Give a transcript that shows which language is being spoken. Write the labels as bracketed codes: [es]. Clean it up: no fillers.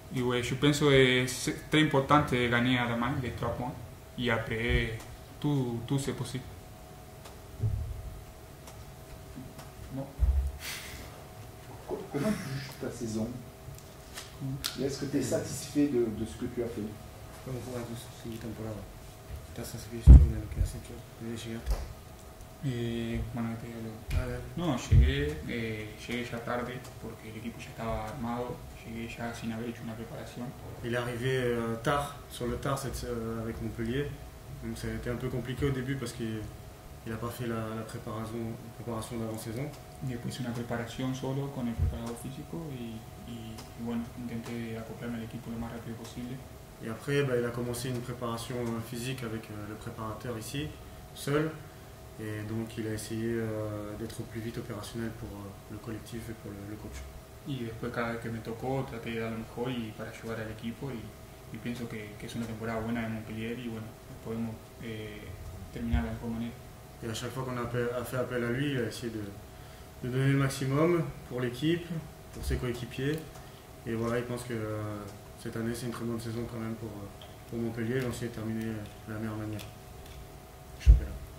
[fr] Et oui, je pense que c'est très important de gagner à demain les 3 points. Et après, tout c'est possible. Bon. Comment tu juges ta saison? Est-ce que tu es satisfait de ce que tu as fait? [es] Como jugador de la temporada, ¿estás satisfecho de lo que has hecho desde llegaste? Bueno, te digo. No, llegué ya tarde porque el equipo ya estaba armado, llegué ya sin haber hecho una preparación. [fr] Él arrivé tard, sur le tard, avec Montpellier. Donc, ça a été un peu compliqué au début parce qu'il n'a pas fait la préparation d'avant-saison. [es] Después, una preparación solo con el preparador físico y bueno, intenté acoplarme al equipo lo más rápido posible. [fr] Et après, bah, il a commencé une préparation physique avec le préparateur ici, seul. Et donc, il a essayé d'être au plus vite opérationnel pour le collectif et pour le coach. Et après, [es] cada vez que me tocó, traté de dar lo mejor para ayudar al equipo. Y pienso que es una temporada buena de Montpellier. Y bueno, podemos terminar de la mejor manera. [fr] Et à chaque fois qu'on a fait appel à lui, il a essayé de donner le maximum pour l'équipe, pour ses coéquipiers. Et voilà, il pense que. Cette année, c'est une très bonne saison quand même pour Montpellier. On s'y est terminé de la meilleure manière. Championnat.